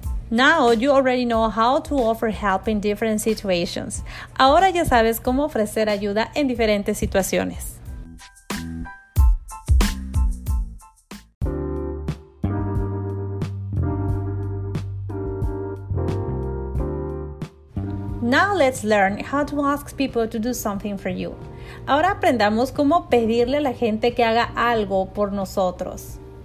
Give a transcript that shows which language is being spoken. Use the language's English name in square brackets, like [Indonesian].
[English] Now you already know how to offer help in different situations. [Spanish] Ahora ya sabes cómo ofrecer ayuda en diferentes situaciones. [English] Now let's learn how to ask people to do something for you. [Spanish] Ahora aprendamos cómo pedirle a la gente que haga algo por nosotros.